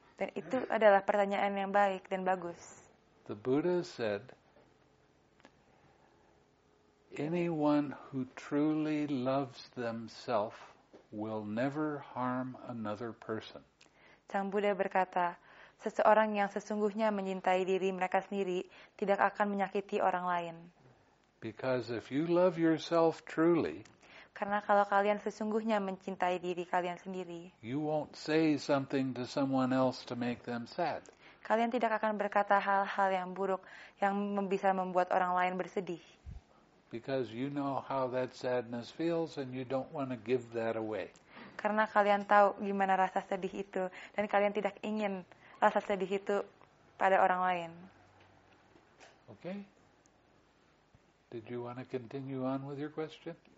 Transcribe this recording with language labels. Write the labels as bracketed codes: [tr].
[id] Dan itu adalah pertanyaan yang baik dan bagus. [en] The Buddha said, anyone who truly loves themselves will never harm another person. [id] Sang Buddha berkata, seseorang yang sesungguhnya mencintai diri mereka sendiri tidak akan menyakiti orang lain. [en] Because if you love yourself truly, [id] karena kalau kalian sesungguhnya mencintai diri kalian sendiri, [en] you won't say something to someone else to make them sad. [id] Kalian tidak akan berkata hal-hal yang buruk yang bisa membuat orang lain bersedih. [en] Because you know how that sadness feels and you don't want to give that away. [id] Karena kalian tahu gimana rasa sedih itu dan kalian tidak ingin rasa sedih itu pada orang lain. [en] Okay. Did you want to continue on with your question?